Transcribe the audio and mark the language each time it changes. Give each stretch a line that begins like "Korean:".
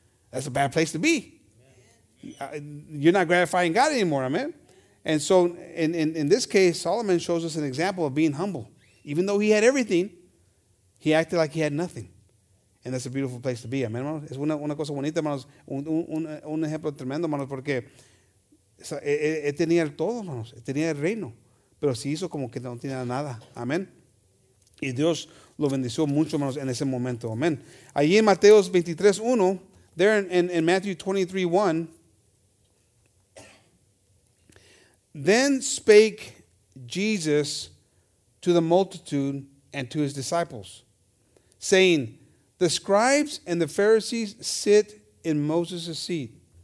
English: That's a bad place to be. You're not gratifying God anymore, amen? And so in this case, Solomon shows us an example of being humble. Even though he had everything, he acted like he had nothing. And that's a beautiful place to be, amen, hermanos?
Spanish: Es una cosa bonita, hermanos. Un ejemplo tremendo, hermanos, porque él tenía todo, hermanos. Él tenía el reino. Pero se hizo como que no tenía nada, amen? Y Dios lo bendició mucho, hermanos, en ese momento, amen? Allí en Mateo 23:1,
English: there in Matthew 23:1, then spake Jesus to the multitude and to his disciples, saying, the scribes and the Pharisees sit in Moses' seat.